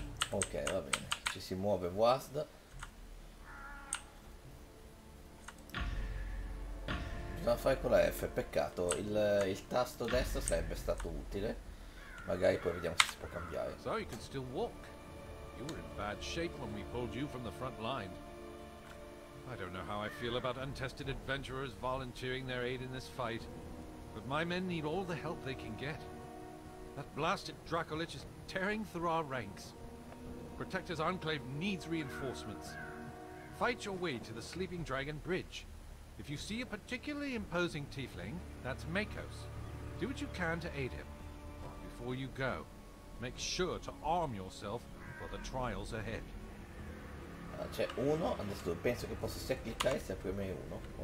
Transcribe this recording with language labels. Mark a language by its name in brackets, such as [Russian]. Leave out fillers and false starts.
[Italian] Ok, va bene, ci si muove Wasd. Bisogna fare con la F, peccato, il tasto destro sarebbe stato utile. Magari poi vediamo se si può cambiare. [English] So you can still walk. You were in bad shape when we pulled you from the front line. I don't know how I feel about untested adventurers volunteering their aid in this fight, but my men need all the help they can get. That blasted Dracolich is tearing through our ranks. Protector's Enclave needs reinforcements. Fight your way to the Sleeping Dragon Bridge. If you see a particularly imposing tiefling, that's Makos. Do what you can to aid him. Before you go, make sure to arm yourself for the trials ahead. [Italian] C'è uno, adesso penso che possa sia cliccare se premere uno.